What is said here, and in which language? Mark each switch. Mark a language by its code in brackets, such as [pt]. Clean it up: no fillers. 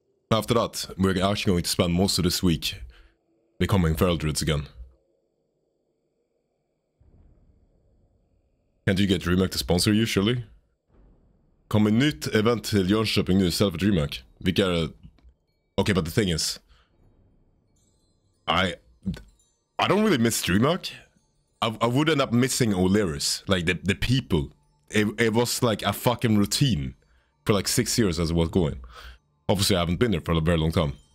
[en] After that, we're actually going to spend most of this week becoming feral druids again. Can't you get DreamHack to sponsor you, surely? [sv] Kommer nytt event till Jönköping nu istället för DreamHack? Vilka är... [en] Okay, but the thing is, I don't really miss DreamHack. I would end up missing O'Leary's, like the people. It was like a fucking routine for like 6 years as it was going. Obviously, I haven't been there for a very long time.